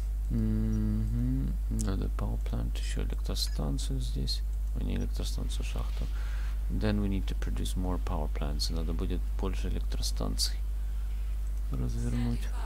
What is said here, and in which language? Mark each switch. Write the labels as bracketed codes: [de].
[ru] Надо power plant, еще электростанцию здесь. Не электростанцию, шахту. [en] Then we need to produce more power plants. [ru] Надо будет больше электростанций развернуть.